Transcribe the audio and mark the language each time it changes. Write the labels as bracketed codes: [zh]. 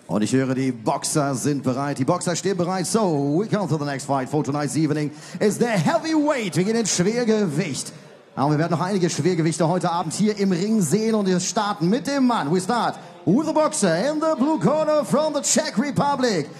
[de] Und ich höre, die Boxer sind bereit. Die Boxer stehen bereit. [en] So, we come to the next fight for tonight's evening. It's the heavyweight. [de] Wir gehen ins Schwergewicht. Aber wir werden noch einige Schwergewichte heute Abend hier im Ring sehen. Und wir starten mit dem Mann. [en] We start with the boxer in the blue corner from the Czech Republic.